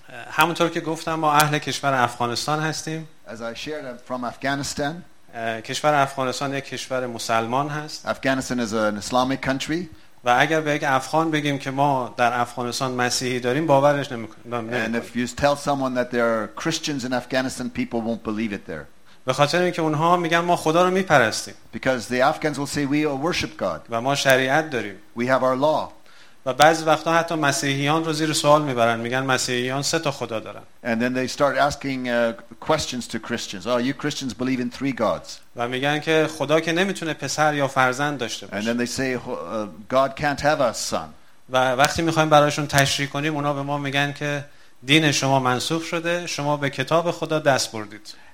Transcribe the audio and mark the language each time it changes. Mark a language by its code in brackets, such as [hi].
[fa] همونطور که گفتم ما اهل کشور افغانستان هستیم [en] As I shared, I'm from Afghanistan. [fa] کشور افغانستان یک کشور مسلمان هست [en] Afghanistan is an Islamic country. [fa] و اگر به یک افغان بگیم که ما در افغانستان مسیحی داریم باورش [en] And if you tell someone that there are Christians in Afghanistan, people won't believe it there. [fa] به خاطر اینکه اونها میگن ما خدا رو میپرستیم [en] Because the Afghans will say we worship God. [fa] و ما شریعت داریم [en] We have our law. [fa] و بعضی وقتا حتی مسیحیان رو زیر سوال میبرن میگن مسیحیان سه تا خدا دارن [en] And then they start asking questions to Christians. Oh, you Christians believe in three gods. [fa] و میگن که خدا که نمیتونه پسر یا فرزند داشته باشه [en] And then they say God can't have a son. [fa] و وقتی میخوایم براشون تشریح کنیم اونا به ما میگن که دین شما منسوخ شده شما به کتاب خدا دست بردید